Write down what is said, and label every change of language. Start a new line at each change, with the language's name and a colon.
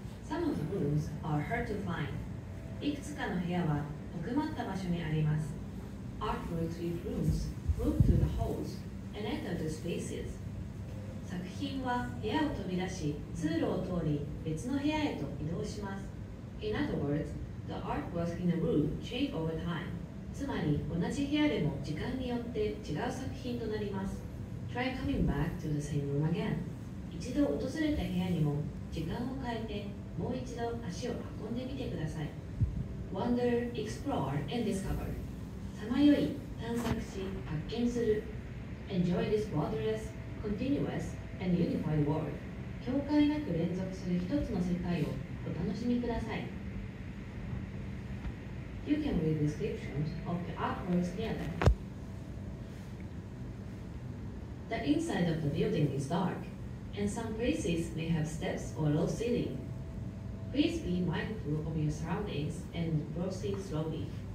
English: Some of the rooms are hard to find.
Japanese: いくつかの部屋は奥まった場所にあります。
English: Artwork with rooms look through the halls and enter the spaces.
Japanese: 作品は部屋を飛び出し、通路を通り別の部屋へと移動します。
English: In other words, the artwork in a room change over time.
Japanese: つまり同じ部屋でも時間によって違う作品となります。
English: Try coming back to the same room again.
Japanese: 一度訪れた部屋にも時間を変えてもう一度足を運んでみてください。
English: Wander, explore, and discover.
Japanese: さまよい、探索し、発見する。
English: Enjoy this borderless, continuous, and unified world.
Japanese: 境界なく連続する一つの世界をお楽しみください。
English: You can read descriptions of the artworks near them. The inside of the building is dark, and some places may have steps or low ceiling. Please be mindful of your surroundings and proceed slowly.